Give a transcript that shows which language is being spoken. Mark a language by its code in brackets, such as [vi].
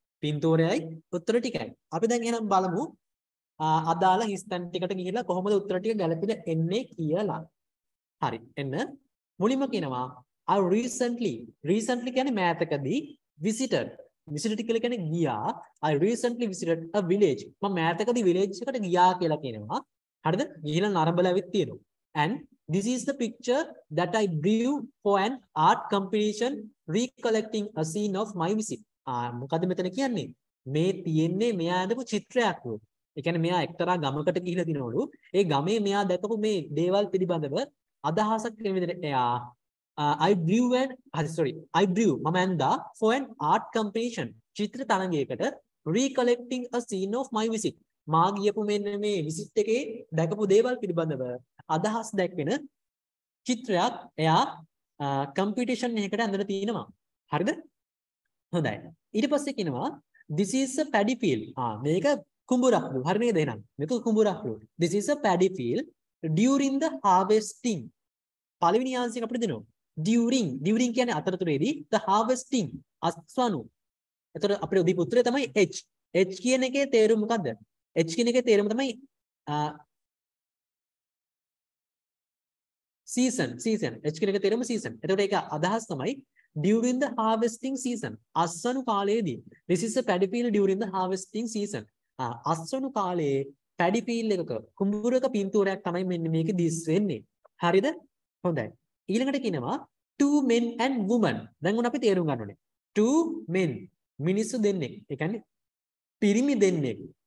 [si] පින්තූරයයි උත්තර ටිකයි. අපි දැන් එහෙනම් බලමු අදාළ හිස්තැන් ටිකට ගිහිල්ලා කොහොමද උත්තර ටික ගැලපෙන එන්නේ කියලා. හරි. එන්න මුලින්ම කියනවා [en] I recently. [si] Recently කියන්නේ මෑතකදී visited. [en] Visited [si] කියලා කියන්නේ ගියා. [en] I recently visited a village. [si] මම මෑතකදී village එකට ගියා කියලා කියනවා. හරිද? ගිහිල්ලා නරඹලා ඇවිත් තියෙනවා. [en] And this is the picture that I drew for an art competition recollecting a scene of my visit. [si] මොකද මෙතන කියන්නේ? මේ තියෙන්නේ මෙයා ඇඳපු චිත්‍රයක් වු. ඒ කියන්නේ මෙයා එක්තරා ගමකට ගිහිල්ලා දිනවලු. ඒ ගමේ මෙයා දැකපු මේ දේවල් පිළිබඳව අදහසක් කියන විදිහට එයා [en] I drew [si] මම ඇඳා [en] for an art competition [si] Chitra තරඟයකට [en] recollecting a scene of my visit. [si] මා ගියපු මෙන්න මේ විසිට් එකේ දැකපු දේවල් පිළිබඳව අදහස් දැක්වෙන චිත්‍රයක් එයා කම්පිටිෂන් එකකට ඇඳලා තිනවා. හරිද? හොඳයි. ඊට පස්සේ කියනවා [en] this is a paddy field. [si] මේක කුඹුරක්ලු. හරි නේද එහෙනම්? මේක කුඹුරක්ලු. [en] This is a paddy field during the harvesting. [si] පළවෙනි අංශයෙන් අපිට දෙනවා during. During කියන්නේ අතරතුරේදී [en] the harvesting [si] අස්වනු. එතකොට අපේ උදි පුත්‍රය තමයි H. H කියන එකේ තේරුම මොකද්ද? H කියන එකේ තේරුම තමයි season season. H කියන එකේ තේරුම season. එතකොට ඒක අදහස් තමයි [en] during the harvesting season. [si] අස්වනු කාලයේදී. [en] This is a paddy field during the harvesting season. [si] අස්වනු කාලයේ paddy field එකක කුඹුරක පින්තූරයක් තමයි මෙන්න මේක දිස් වෙන්නේ. හරිද? හොඳයි. ඊළඟට කියනවා [en] two men and woman. [si] දැන් උන් අපි තේරුම් ගන්න ඕනේ. [en] Two men [si] මිනිස්සු දෙන්නෙක්. ඒ කියන්නේ පිරිමි දෙන්නෙක්.